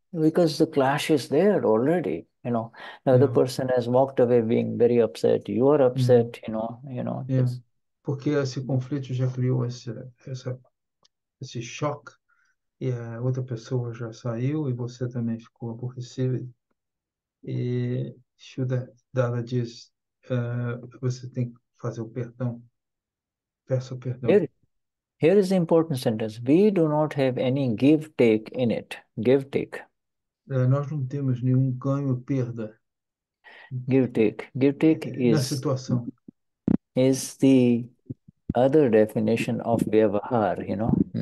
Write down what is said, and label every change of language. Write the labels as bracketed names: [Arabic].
[English] Because the clash is there already, you know. Now the person has walked away being very upset. You are upset, you know. Yes. [Portuguese] Porque esse conflito já criou esse choque e a outra pessoa já saiu e você também ficou aborrecido. E Shuddhatma diz, você tem que fazer o perdão. Peço perdão. [English] Here is the important sentence. We do not have any give-take in it. Give-take. [Portuguese] Nós não temos nenhum ganho-perda. [English] Give-take. Give-take [Portuguese] na situação. [English] Is the other definition of vyavahar, you know?